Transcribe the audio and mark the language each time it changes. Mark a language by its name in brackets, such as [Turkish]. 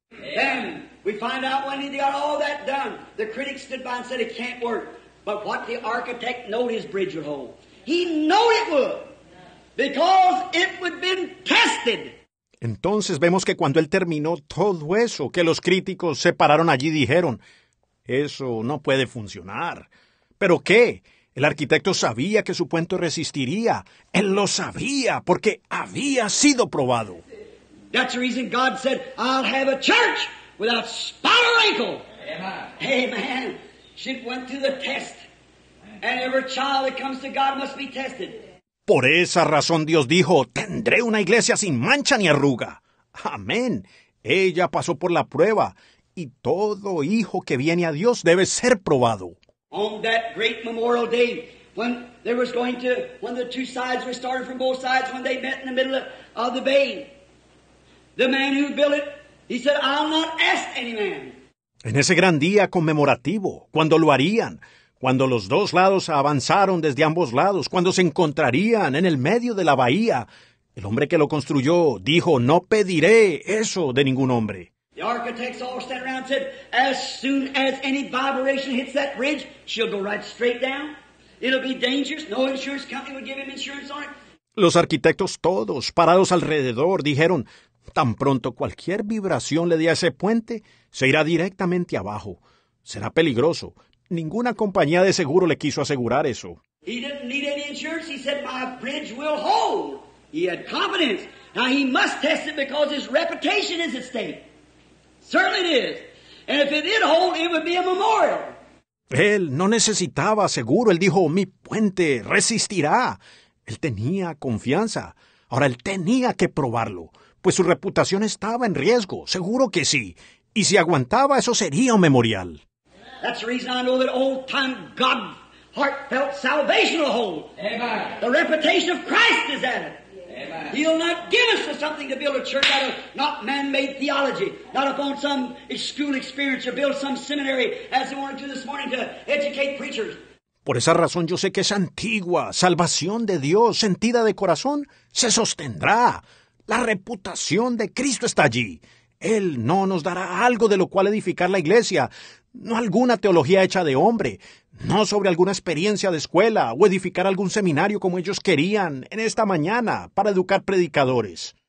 [English] Then we find out when he got all that done, the critics stood by and said it can't work. But what the architect knew his bridge would hold. He knew it would, because it would have been tested. [Spanish] Entonces vemos que cuando él terminó todo eso, que los críticos se pararon allí y dijeron, eso no puede funcionar. ¿Pero qué? El arquitecto sabía que su puente resistiría. Él lo sabía porque había sido probado. [English] That's the reason God said, I'll have a church without spot or wrinkle. Amen. She went through the test. And every child that comes to God must be tested. [Spanish] Por esa razón Dios dijo, tendré una iglesia sin mancha ni arruga. Amén. Ella pasó por la prueba. Y todo hijo que viene a Dios debe ser probado. [English] On that great memorial day, when they was going to, when the two sides were started from both sides, when they met in the middle of the bay, the man who built it, he said, I'll not ask any man. [Spanish] En ese gran día conmemorativo, cuando lo harían, cuando los dos lados avanzaron desde ambos lados, cuando se encontrarían en el medio de la bahía, el hombre que lo construyó dijo, no pediré eso de ningún hombre. [English] The architects all stand around and said, as soon as any vibration hits that bridge, she'll go right straight down. It'll be dangerous. No insurance company would give him insurance on it. [Spanish] Los arquitectos todos, parados alrededor, dijeron, tan pronto cualquier vibración le dé a ese puente, se irá directamente abajo. Será peligroso. Ninguna compañía de seguro le quiso asegurar eso. [English] He didn't need any insurance. He said, my bridge will hold. He had confidence. Now he must test it because his reputation is at stake. Certainly it is. And if it did hold, it would be a memorial. [Spanish] Él no necesitaba seguro. Él dijo, mi puente resistirá. Él tenía confianza. Ahora, él tenía que probarlo, pues su reputación estaba en riesgo. Seguro que sí. Y si aguantaba, eso sería un memorial. [English] That's the reason I know that old time God heartfelt salvation will hold. Amen. The reputation of Christ is at it. Amen. He'll not give us something to build a church out of, not man-made theology, not upon some school experience or build some seminary as they wanted to this morning to educate preachers. [Spanish] Por esa razón yo sé que esa antigua salvación de Dios sentida de corazón se sostendrá. La reputación de Cristo está allí. Él no nos dará algo de lo cual edificar la iglesia, no alguna teología hecha de hombre, no sobre alguna experiencia de escuela o edificar algún seminario como ellos querían en esta mañana para educar predicadores.